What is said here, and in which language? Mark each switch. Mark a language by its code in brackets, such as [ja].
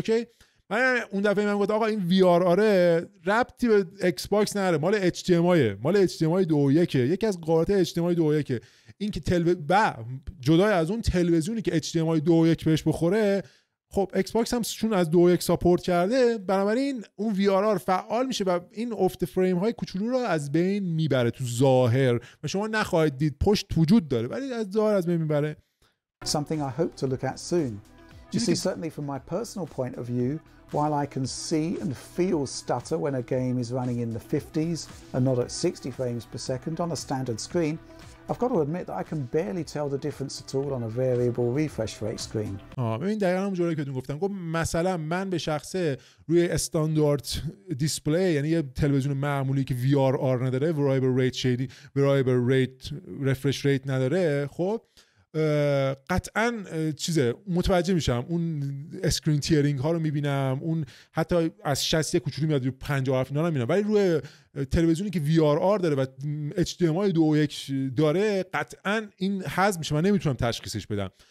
[fa] اوکی، من اون دفعه من گفت آقا این وی آر آره ربطی به ایکس باکس نداره، مال اچ دی ام آی، مال اچ دی ام آی 2.1، یکی از قابلیت‌های اچ دی ام آی 2.1 این که جدا از اون تلویزیونی که اچ دی ام آی 2.1 بهش بخوره، خب ایکس باکس هم چون از 2.1 ساپورت کرده، بنابراین اون وی آر آر فعال میشه و این افت فریم های کوچولو رو از بین میبره تو ظاهر و شما نخواهید دید، پشت وجود داره ولی از ظاهر از بین میبره. [en] Something I hope to look at soon. You see, certainly from my personal point of view, while I can see and feel stutter when a game is running in the 50s and not at 60 frames per second on a standard screen, I've got to admit that I can barely tell the difference at all on a variable refresh rate screen. [fa] ببین دقیقا همون جوری که تو گفتم، مثلا من به شخصه روی استاندارد دیسپلی، یعنی یه تلویزیون معمولی که وی آر آر نداره، variable refresh rate نداره، خب قطعاً چیزه متوجه میشم، اون اسکرین تیرینگ ها رو میبینم، اون حتی از 60 کوچولو میاد رو 50 اف اینا رو میبینم، ولی روی تلویزیونی که وی آر آر داره و اچ دی ام آی 2.1 داره قطعاً این حذف میشه، من نمیتونم تشخیصش بدم.